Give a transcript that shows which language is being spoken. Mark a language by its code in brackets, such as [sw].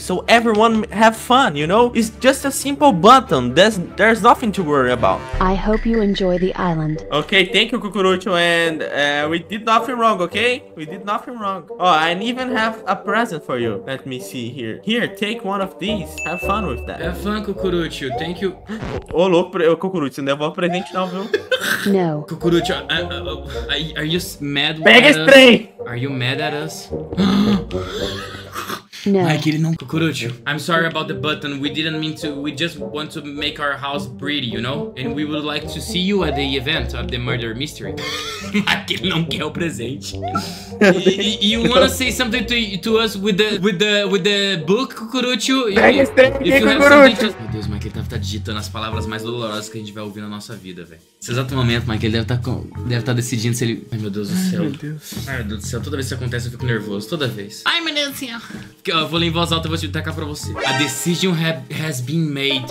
[en] So everyone have fun, you know? It's just a simple button. There's nothing to worry about. I hope you enjoy the island. Okay, thank you, Cucurucho. And we did not. Nothing wrong, okay? We did nothing wrong. Oh, I even have a present for you. Let me see here. Here, take one of these. Have fun with that. Have fun, Cucurucho. Thank you. [pt] Ô, louco, Cucurucho, você não levou um presente não, viu? [en] No. Cucurucho, are you mad with us? [pt] Pega esse trem! [en] Are you mad at us? [pt] Não. [en] Mike, [pt] ele não... [en] Cucurucho, I'm sorry about the button. We didn't mean to... We just want to make our house pretty, you know? And we would like to see you at the event of the murder mystery. Mike, [pt] ele não quer o presente. [en] You want to say something to us with the book, Cucurucho? Cucurucho! [pt] Meu Deus, Mike, ele deve estar digitando as palavras mais dolorosas que a gente vai ouvir na nossa vida, velho. Nesse exato momento, Mike, ele deve estar decidindo se ele... Ai, meu Deus do céu. Ai, meu Deus do céu. Toda vez que isso acontece, eu fico nervoso. Toda vez. Ai, meu Deus do céu. Eu vou ler em voz alta e vou te tacar pra você. [en] A decision has been made.